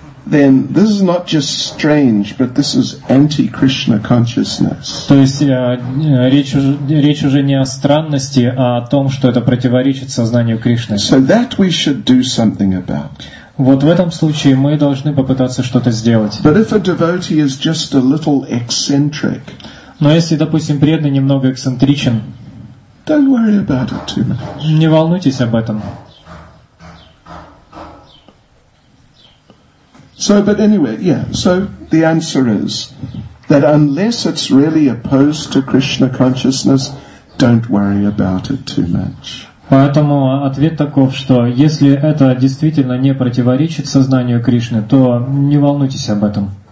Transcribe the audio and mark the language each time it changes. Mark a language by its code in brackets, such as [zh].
[en] Then this is not just strange, but this is anti-Krishna consciousness. [ru] То есть речь уже не о странности, а о том, что это противоречит сознанию Кришны. [en] So that we should do something about. [ru] Вот в этом случае мы должны попытаться что-то сделать. [en] But if a devotee is just a little eccentric, [ru] но если, допустим, преданный немного эксцентричен, [en] don't worry about it too much. [ru] Не волнуйтесь об этом. [en] So, but anyway, yeah. So the answer is that unless it's really opposed to Krishna consciousness, don't worry about it too much. [ru] Поэтому ответ таков, что если это действительно не противоречит сознанию Кришны, то не волнуйтесь об этом.